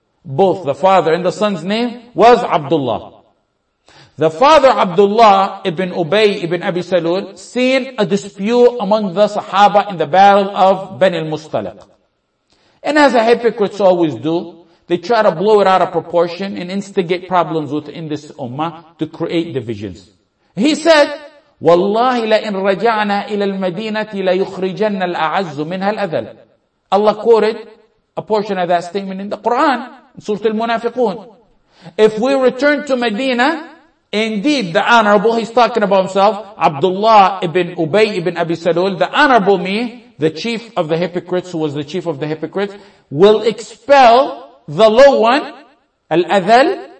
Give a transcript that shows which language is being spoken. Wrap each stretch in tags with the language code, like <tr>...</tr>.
<en>Both the father and the son's name was Abdullah. The father Abdullah ibn Ubay ibn Abi Salul seen a dispute among the Sahaba in the battle of Bani al-Mustalaq. And as the hypocrites always do, they try to blow it out of proportion and instigate problems within this ummah to create divisions. He said,</en> <ar>وَاللَّهِ لَإِن رَجَعْنَا إِلَى الْمَدِينَةِ لَيُخْرِجَنَّ الْأَعَزُّ مِنْهَا الْأَذَلِ.</ar> <en>Allah quoted a portion of that statement in the Quran, Surah Al-Munafiqun. If we return to Medina, indeed the honorable, he's talking about himself, Abdullah ibn Ubay ibn Abi Salul, the honorable me, the chief of the hypocrites, who was the chief of the hypocrites, will expel the low one, al-adhal,</en>